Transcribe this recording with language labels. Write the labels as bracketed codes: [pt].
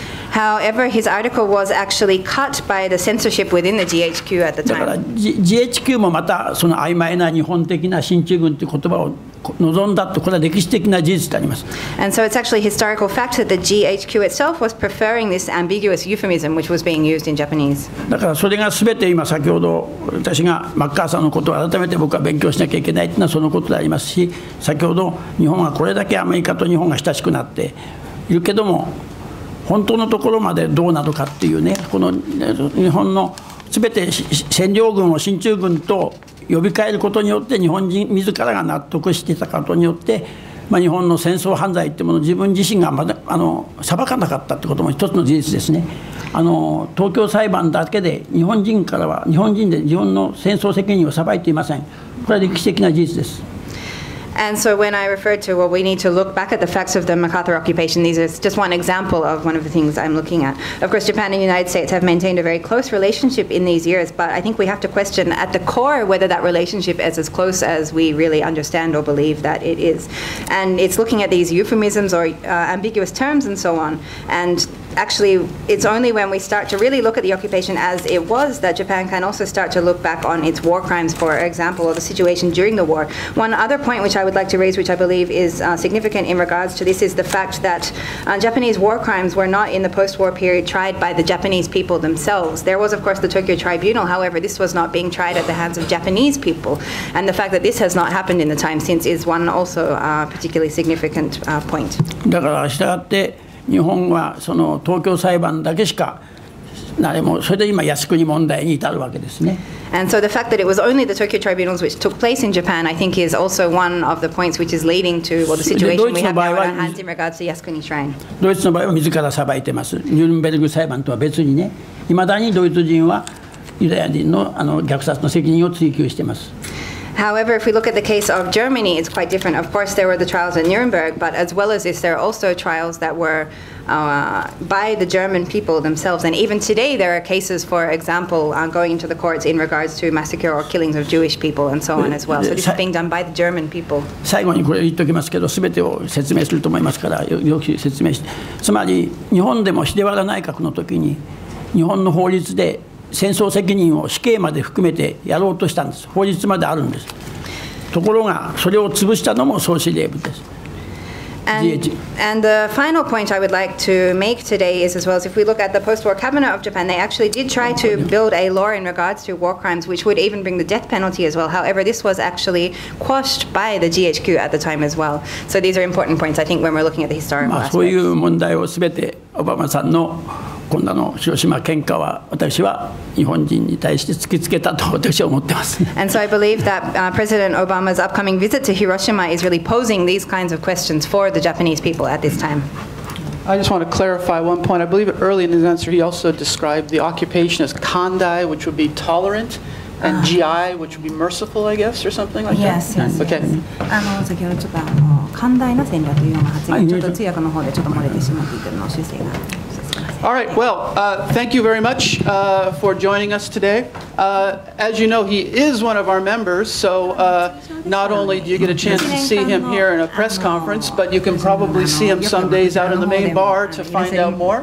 [en] However, his article was actually cut by the censorship within the GHQ at the time. [ja] GHQ もまたその曖昧な日本的な進駐軍という言葉を望んだと、これは歴史的な事実であります。 [en] And so it's actually historical fact that the GHQ itself was preferring this ambiguous euphemism which was being used in Japanese. [ja] だからそれが全て今先ほど私がマッカーサーのことを改めて僕は勉強しなきゃいけないというのはそのことでありますし、先ほど日本がこれだけアメリカと日本が親しくなっているけども、本当のところまでどうなのかっていうね、この日本の全て占領軍を進駐軍と呼び換えることによって日本人自らが納得していたことによって、まあ、日本の戦争犯罪というものを自分自身がまだ裁かなかったということも一つの事実ですね。東京裁判だけで日本人からは日本人で日本の戦争責任を裁いていません。これは歴史的な事実です。 [en] And so when I referred to, well, we need to look back at the facts of the MacArthur occupation, these are just one example of one of the things I'm looking at. Of course, Japan and the United States have maintained a very close relationship in these years, but I think we have to question at the core whether that relationship is as close as we really understand or believe that it is. And it's looking at these euphemisms or ambiguous terms and so on. And actually, it's only when we start to really look at the occupation as it was that Japan can also start to look back on its war crimes, for example, or the situation during the war. One other point which I would like to raise, which I believe is significant in regards to this, is the fact that Japanese war crimes were not in the post-war period tried by the Japanese people themselves. There was, of course, the Tokyo Tribunal. However, this was not being tried at the hands of Japanese people. And the fact that this has not happened in the time since is one also particularly significant point. [ja] だから明日だって日本はその東京裁判だけしか誰もそれで今靖国問題に至るわけですね。 [en] And so the fact that it was only the Tokyo tribunals which took place in Japan, I think, is also one of the points which is leading to well, the situation we have now on our hands in regards to Yasukuni Shrine. [ja] ドイツの場合は自ら裁いてます。ニュルンベルグ裁判とは別にね、未だにドイツ人はユダヤ人の虐殺の責任を追及しています。 [en] However, if we look at the case of Germany, it's quite different. Of course, there were the trials in Nuremberg, but as well as this, there are also trials that were by the German people themselves. And even today, there are cases, for example, going into the courts in regards to massacre or killings of Jewish people and so on as well. So this is being done by the German people. [ja] 最後にこれ言っておきますけど、すべてを説明すると思いますから、よく説明して。つまり、日本でも秀原内閣の時に、日本の法律で戦争責任を死刑まで含めてやろうとしたんです。法律まであるんです。ところがそれを潰したのも総司令部です。 [en] And the final point I would like to make today is as well as if we look at the post-war cabinet of Japan, they actually did try to build a law in regards to war crimes, which would even bring the death penalty as well. However, this was actually quashed by the GHQ at the time as well. So these are important points, I think, when we're looking at the historical aspects. [ja] そういう問題をすべてオバマさんの今度の広島喧嘩は私は日本人に対して突きつけたと私は思ってます。 [en] And so I believe that President Obama's upcoming visit to Hiroshima is really posing these kinds of questions for the Japanese people at this time. I just want to clarify one point. I believe early in his answer he also described the occupation as kandai, which would be tolerant, and gi, which would be merciful, I guess, or something like yes, that. Yes. Okay. [ja] 先ほどちょっと寛大な戦略というような発言ちょっと通訳の方でちょっと漏れてしまっているのを修正が。 [en] All right, well, thank you very much for joining us today. As you know, he is one of our members, so not only do you get a chance to see him here in a press conference, but you can probably see him some days out in the main bar to find out more.